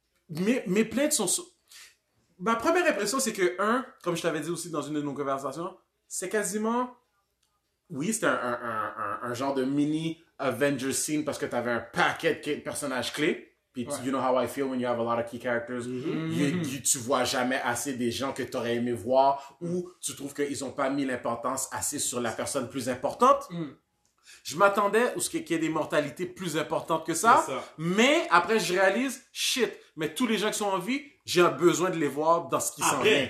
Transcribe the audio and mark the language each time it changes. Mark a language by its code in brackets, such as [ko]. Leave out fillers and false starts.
[fr] Mes plaintes sont... Ma première impression, c'est que, comme je t'avais dit aussi dans une de nos conversations, c'est quasiment... Oui, c'était un genre de mini Avengers scene parce que t'avais un paquet de personnages clés. [en] Puis, you know how I feel when you have a lot of key characters. Mm-hmm. [fr] Tu vois jamais assez des gens que t'aurais aimé voir ou tu trouves qu'ils ont pas mis l'importance assez sur la personne plus importante. Mm. Je m'attendais à ce qu'il y ait des mortalités plus importantes que ça. Mais après, je réalise, shit, mais tous les gens qui sont en vie, j'ai un besoin de les voir dans ce qui s'en vient.